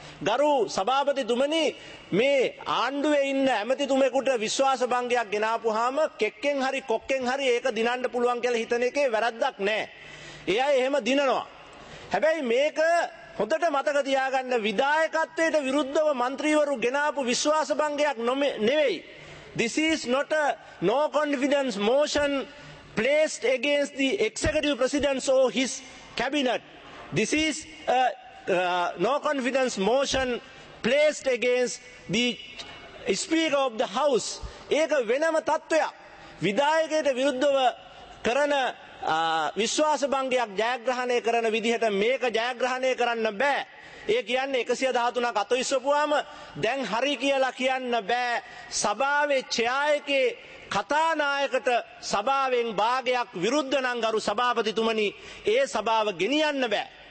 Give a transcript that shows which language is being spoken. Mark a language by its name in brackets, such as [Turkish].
[Sinhala] ගරු සභාපතිතුමනි, මේ ආණ්ඩුවේ ඉන්න ඇමතිතුමෙකුට විශ්වාස භංගයක් ගෙනාපුවාම කෙක්කෙන් හරි කොක්කෙන් හරි ඒක දිනන්න පුළුවන් කියලා හිතන එකේ වැරද්දක් නැහැ. එයා එහෙම දිනනවා. හැබැයි මේක හොඳට මතක තියාගන්න, විධායකත්වයට විරුද්ධව මන්ත්‍රීවරු ගෙනාපු විශ්වාස භංගයක් නෙවෙයි. [English] This is not a no confidence motion placed against the executive president or his cabinet. This is a no confidence motion placed against the speaker of the house. [Sinhala] ඒක වෙනම තත්වයක්. විධායකයට විරුද්ධව කරන විශ්වාස භංගයක් ජයග්‍රහණය කරන විදිහට මේක ජයග්‍රහණය කරන්න බෑ. ඒ කියන්නේ 113ක් අතවිස්සපුවාම දැන් හරි කියලා කියන්න බෑ. සභාවේ ඡායකයේ කතානායකට සභාවෙන් භාගයක් විරුද්ධ නම් ගරු සභාපතිතුමනි ඒ සභාව ගෙනියන්න බෑ.